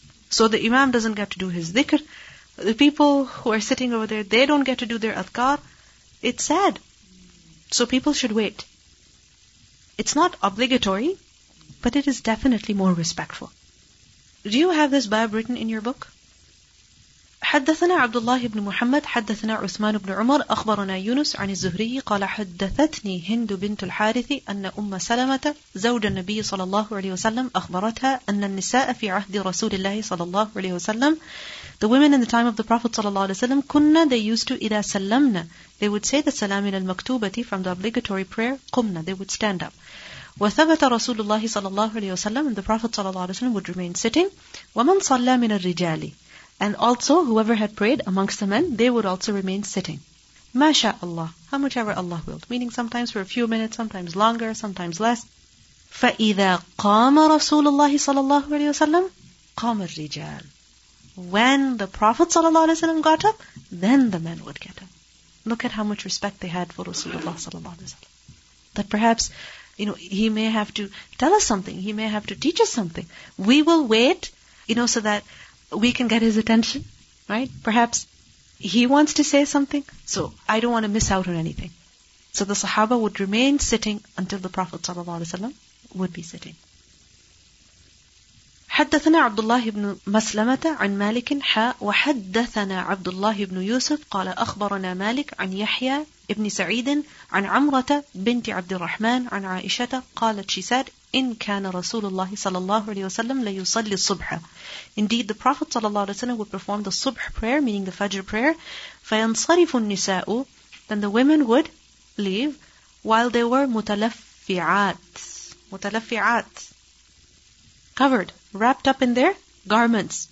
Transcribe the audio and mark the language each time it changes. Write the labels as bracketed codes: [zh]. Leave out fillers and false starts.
[en] So the imam doesn't get to do his dhikr. The people who are sitting over there, they don't get to do their adhkar. It's sad. So people should wait. It's not obligatory, but it is definitely more respectful. Do you have this bab written in your book? [ar] حدثنا عبد الله بن محمد حدثنا عثمان بن عمر أخبرنا يونس عن الزهري قال حدثتني هند بنت الحارث أن أم سلمة زوج النبي صلى الله عليه وسلم أخبرتها أن النساء في عهد رسول الله صلى الله عليه وسلم, [en] the women in the time of the Prophet [ar] صلى الله عليه وسلم, كنا, [en] they used to, [ar] إذا سلمنا, [en] they would say the سلام المكتوبة from the obligatory prayer, [ar] قمنا, [en] they would stand up. [ar] وثبت رسول الله صلى الله عليه وسلم, [en] and the Prophet صلى الله عليه وسلم would remain sitting. [ar] ومن صلى من الرجال, [en] and also, whoever had prayed amongst the men, they would also remain sitting. [ar] مَا شَاءَ اللَّهُ, [en] how much ever Allah willed. Meaning sometimes for a few minutes, sometimes longer, sometimes less. [ar] فَإِذَا قَامَ رَسُولُ اللَّهِ صَلَى اللَّهُ عَلَيْهِ وَسَلَّمُ قَامَ الرِّجَالِ, [en] when the Prophet صلى الله عليه وسلم got up, then the men would get up. Look at how much respect they had for Rasulullah صلى الله عليه وسلم. That perhaps, you know, he may have to tell us something. He may have to teach us something. We will wait, you know, so that we can get his attention, right? Perhaps he wants to say something, so I don't want to miss out on anything. So the Sahaba would remain sitting until the Prophet ﷺ would be sitting. [ar] حدثنا عبد الله بن مسلمة عن مالك حاء وحدثنا عبد الله بن يوسف قال أخبرنا مالك عن يحيى بن سعيد عن عمرة بنت عبد الرحمن عن عائشة قالت [en] she said [ar] إن كان رسول الله صلى الله عليه وسلم ليصلي الصبح. [en] Indeed, the Prophet صلى الله عليه وسلم would perform the subh prayer, meaning the fajr prayer. [ar] فينصرف النساء, [en] then the women would leave while they were متلفعات. متلفعات, covered, wrapped up in their garments.